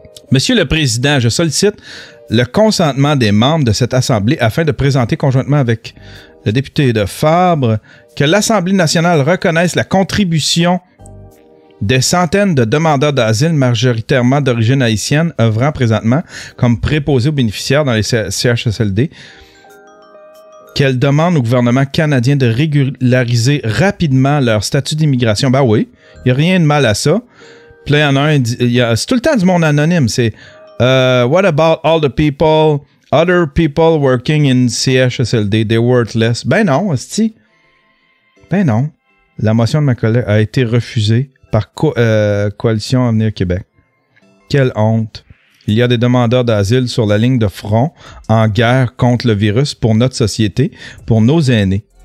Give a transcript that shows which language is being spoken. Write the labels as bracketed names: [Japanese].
[French] Monsieur le Président, je sollicite le consentement des membres de cette Assemblée afin de présenter conjointement avec le député de Fabre que l'Assemblée nationale reconnaisse la contribution des centaines de demandeurs d'asile majoritairement d'origine haïtienne œuvrant présentement comme préposés aux bénéficiaires dans les CHSLD. Qu'elle demande au gouvernement canadien de régulariser rapidement leur statut d'immigration. Ben oui, il n'y a rien de mal à ça. Puis là, il y en a un, c'est tout le temps du monde anonyme. C'est [English] « What about all the people, other people working in CHSLD, they're worthless? » [French] Ben non, hostie. Ben non. La motion de ma collègue a été refusée par Coalition Avenir Québec. Quelle honte. Il y a des demandeurs d'asile sur la ligne de front en guerre contre le virus pour notre société, pour nos aînés.